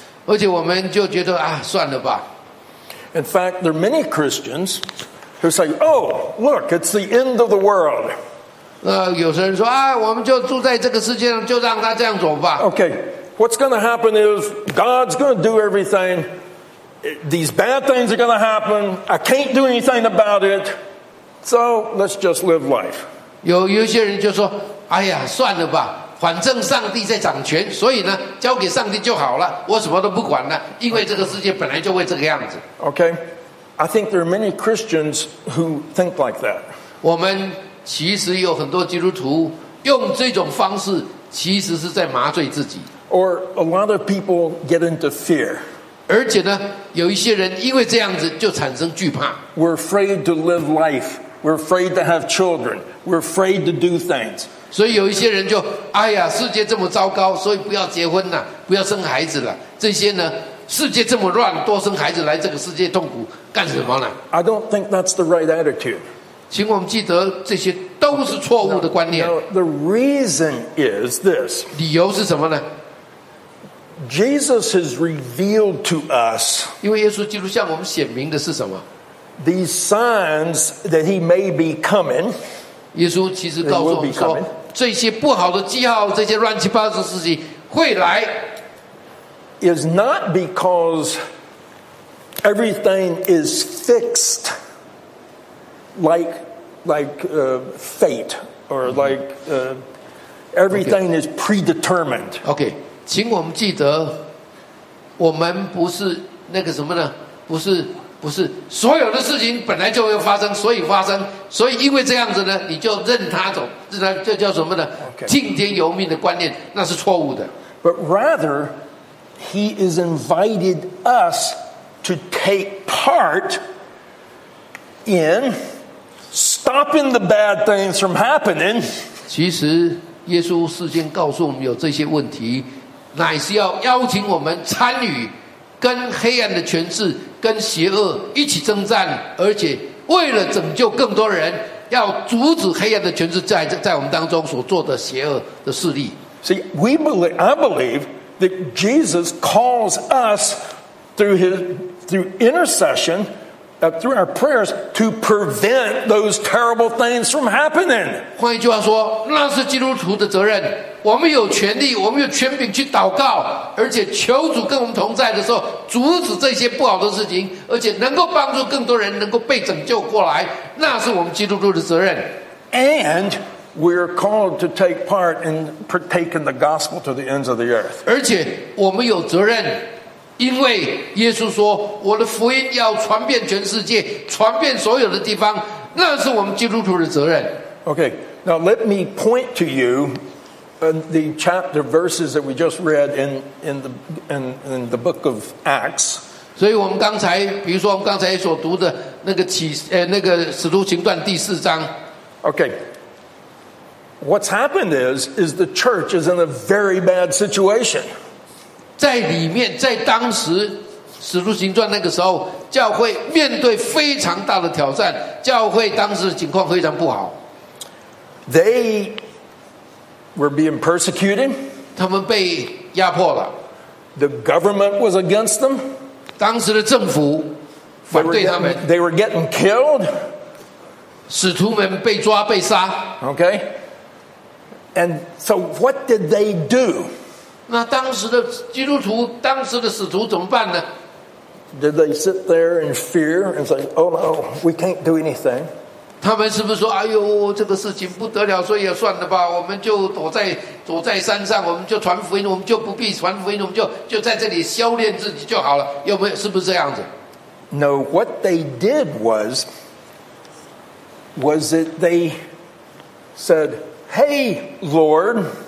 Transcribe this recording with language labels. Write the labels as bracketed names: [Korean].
[Chinese] 而且我们就觉得啊，算了吧。 [English] In fact, there are many Christians who say, oh, look, it's the end of the world. [Chinese] 有些人说啊，我们就住在这个世界上，就让他这样走吧。 [English] Okay, what's going to happen is God's going to do everything. These bad things are going to happen. I can't do anything about it. So let's just live life. [Chinese] 有些人就说，哎呀，算了吧。反正上帝在掌权，所以呢，交给上帝就好了，我什么都不管了，因为这个世界本来就会这个样子。 [English] Okay, I think there are many Christians who think like that. [Chinese] 我们其实有很多基督徒用这种方式，其实是在麻醉自己。 [English] Or a lot of people get into fear. [Chinese] 而且呢，有一些人因为这样子就产生惧怕。 [English] We're afraid to live life. We're afraid to have children. We're afraid to do things. [Chinese] 所以有一些人就哎呀，世界这么糟糕，所以不要结婚了，不要生孩子了。这些呢，世界这么乱，多生孩子来这个世界痛苦干什么呢？ [English] I don't think that's the right attitude. [Chinese] 请我们记得，这些都是错误的观念。 [English] Now, the reason is this. [Chinese] 理由是什么呢？ [English] Jesus has revealed to us. [Chinese] 因为耶稣基督向我们显明的是什么？ [English] These signs that he may be coming. [Chinese] 耶稣其实告诉我们说，这些不好的记号，这些乱七八糟的事情会来。 [English] Is not because everything is fixed like fate or like everything is predetermined. [Chinese] Okay, 请我们记得，我们不是那个什么呢？不是所有的事情本来就会发生，所以发生，所以因为这样子呢，你就任他走，这叫什么呢？听天由命的观念，那是错误的。 [English] But rather, he is invited us to take part in stopping the bad things from happening. [Chinese] 其实耶稣事先告诉我们有这些问题，乃是要邀请我们参与跟黑暗的权势。跟邪恶一起征战，而且为了拯救更多人，要阻止黑暗的权势在我们当中所做的邪恶的势力。 [English] See, we believe, I believe that Jesus calls us through intercession, through our prayers, to prevent those terrible things from happening. [Chinese] 换一句话说，那是基督徒的责任。我们有权利，我们有权柄去祷告，而且求主跟我们同在的时候，阻止这些不好的事情，而且能够帮助更多人能够被拯救过来，那是我们基督徒的责任。 [English] And we are called to take part in partaking the gospel to the ends of the earth. [Chinese] 而且我们有责任，因为耶稣说，我的福音要传遍全世界，传遍所有的地方，那是我们基督徒的责任。 [English] Okay, now let me point to you. And the chapter verses that we just read in the book of Acts. [Chinese] 所以我们刚才，比如说我们刚才所读的那个使徒行传第四章。 [English] Okay. What's happened is the church is in a very bad situation. [Chinese] 在里面，在当时使徒行传那个时候，教会面对非常大的挑战，教会当时的情况非常不好。 [English] They. Were being persecuted. [Chinese] 他们被压迫了。 [English] The government was against them. [Chinese] 当时的政府反对他们。 [English] They were getting killed. [Chinese] 使徒们被抓被杀。 [English] Okay. And so what did they do? [Chinese] 那当时的基督徒，当时的使徒怎么办呢？ [English] Did they sit there in fear and say, oh no, we can't do anything? [Chinese] 他们是不是说哎呦这个事情不得了，所以也算了吧，我们就躲在山上，我们就传福音，我们就不必传福音，我们就在这里修炼自己就好了，有没有，是不是这样子？ [English] No, what they did was that they said, Hey, Lord,